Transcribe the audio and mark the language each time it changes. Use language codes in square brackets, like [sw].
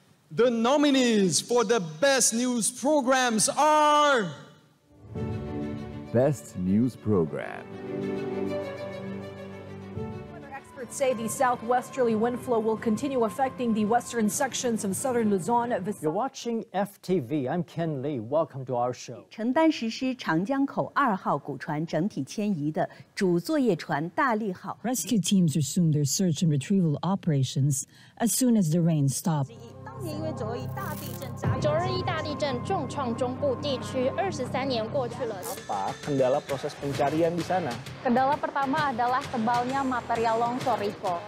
[en] The nominees for the best news programs are... Best News Program. Experts say the southwesterly wind flow will continue affecting the western sections of southern Luzon. You're watching FTV. I'm Ken Lee. Welcome to our show. [zh] 承担实施长江口二号古船整体迁移的主作业船大力号. [en] Rescue teams resume their search and retrieval operations as soon as the rain stopped. [zh] 九二一大地震重创中部地区，23年过去了。 [id] Kendala proses pencarian di sana. Kendala pertama adalah tebalnya material longsor, Rico.